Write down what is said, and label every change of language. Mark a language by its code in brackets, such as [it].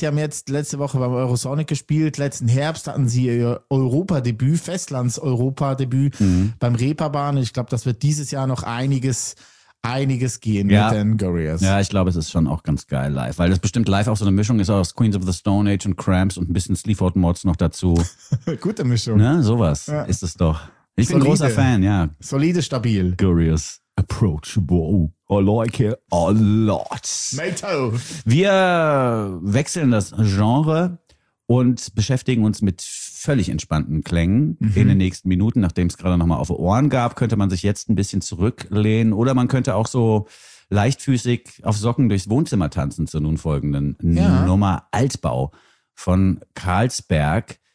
[de] Die haben jetzt letzte Woche beim Eurosonic gespielt. Letzten Herbst hatten sie ihr Europa-Debüt, Festlands-Europa-Debüt beim Reeperbahn. Ich glaube, das wird dieses Jahr noch einiges gehen mit den Gurriers. Ja, ich glaube, es ist schon auch ganz geil live, weil das bestimmt live auch so eine Mischung ist aus Queens of the Stone Age und Cramps und ein bisschen Sleaford Mods noch dazu. Gute Mischung. Ne, sowas ist es doch. Ich bin großer Fan, ja. Solide, stabil. [en] Gurriers, Approachable. I like it a lot. Mato. [de] Wir wechseln das Genre und beschäftigen uns mit völlig entspannten Klängen in den nächsten Minuten, nachdem es gerade nochmal auf Ohren gab, könnte man sich jetzt ein bisschen zurücklehnen oder man könnte auch so leichtfüßig auf Socken durchs Wohnzimmer tanzen zur nun folgenden Nummer Altbau von Carlsberg.